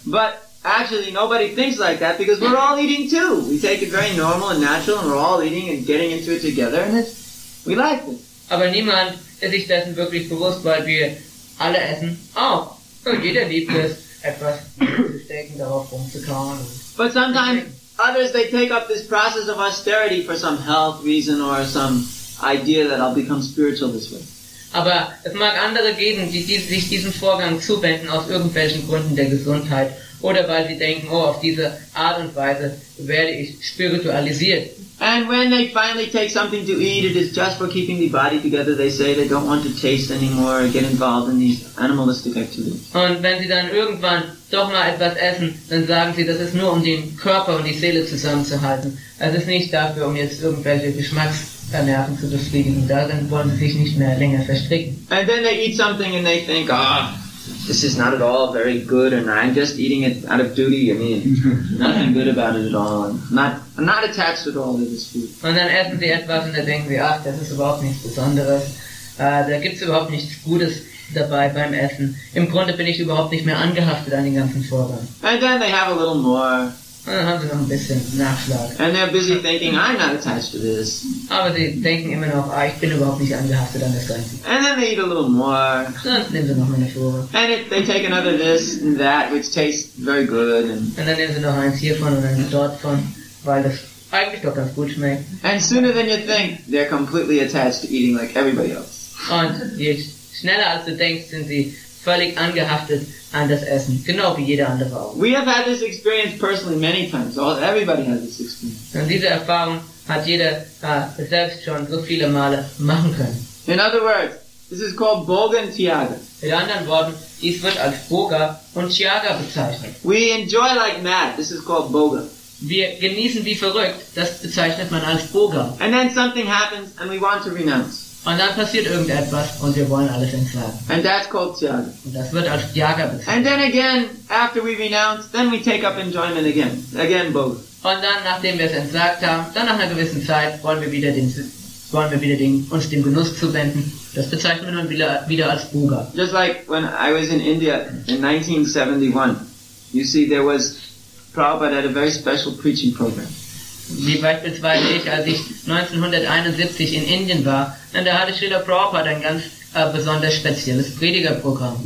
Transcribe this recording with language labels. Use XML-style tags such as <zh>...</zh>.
<en>But actually, nobody thinks like that because we're all eating too. We take it very normal and natural, and we're all eating and getting into it together, and we like it.</en> <de>Aber niemand ist sich dessen wirklich bewusst, weil wir alle essen auch. Und jeder liebt es, etwas zu stecken, darauf rumzukauen.</de> <en>But sometimes others, they take up this process of austerity for some health reason or some idea that I'll become spiritual this way.</en> <de>Aber es mag andere geben, die sich diesem Vorgang zuwenden aus irgendwelchen Gründen der Gesundheit oder weil sie denken, oh, auf diese Art und Weise werde ich spiritualisiert.</de> <en>And when they finally take something to eat, it is just for keeping the body together. They say they don't want to taste anymore or get involved in these animalistic activities.</en> <de>Und wenn sie dann irgendwann doch mal etwas essen, dann sagen sie, das ist nur um den Körper und die Seele zusammenzuhalten. Es ist nicht dafür, um jetzt irgendwelche Geschmacksnerven zu befriedigen. Und darin wollen sie sich nicht mehr länger verstricken.</de> <en>And then they eat something and they think, ah, this is not at all very good, and I'm just eating it out of duty. I mean, nothing good about it at all. I'm not attached at all to this food.</en> <de>Und dann essen sie etwas und dann denken sie, ach, das ist überhaupt nichts Besonderes. Da gibt's überhaupt nichts Gutes dabei beim Essen. Im Grunde bin ich überhaupt nicht mehr angehaftet an den ganzen Vorgang.</de> <en>And then they have a little more.</en> <de>Und dann haben sie noch ein bisschen Nachschlag.</de> <en>And they're busy thinking, I'm not attached to this.</en> <de>Aber sie denken immer noch, ah, ich bin überhaupt nicht angehaftet an das Ganze.</de> <en>And then they eat a little more.</en> <de>Dann nehmen sie noch eine Fuhr.</de> <en>And they take another this and that, which tastes very good.</en> <de>Und dann nehmen sie noch eins hiervon und eins dortvon, weil das eigentlich doch ganz gut schmeckt.</de> <en>And sooner than you think, they're completely attached to eating like everybody else.</en> <de>Und je schneller als du denkst, sind sie völlig angehaftet an das Essen, genau wie jeder andere auch.</de> <en>We have had this experience personally many times. Everybody has this experience.</en> <de>Und diese Erfahrung hat jeder selbst schon so viele Male machen können.</de> <en>In other words, this is called Bogen Tiaga.</en> <de>In anderen Worten, dies wird als Boga und Tiaga bezeichnet.</de> <en>We enjoy like mad, this is called Boga.</en> <de>Wir genießen wie verrückt, das bezeichnet man als Boga.</de> <en>And then something happens and we want to renounce.</en> <de>Und dann passiert irgendetwas und wir wollen alles entsagen.</de> <en>And that's called Tiaga.</en> <de>Und das wird als Tiaga bezeichnet.</de> <en>And then again, after we renounce, then we take up enjoyment again. Again, Boga.</en> <de>Und dann, nachdem wir es entsagt haben, dann nach einer gewissen Zeit, wollen wir uns dem Genuss zuwenden. Das bezeichnet man wieder als Boga.</de> <en>Just like when I was in India in 1971, you see, there was Prabhupada had a very special preaching program.</en> <de>Wie beispielsweise ich, als ich 1971 in Indien war, und da hatte Srila Prabhupada ein ganz besonders spezielles Predigerprogramm.</de>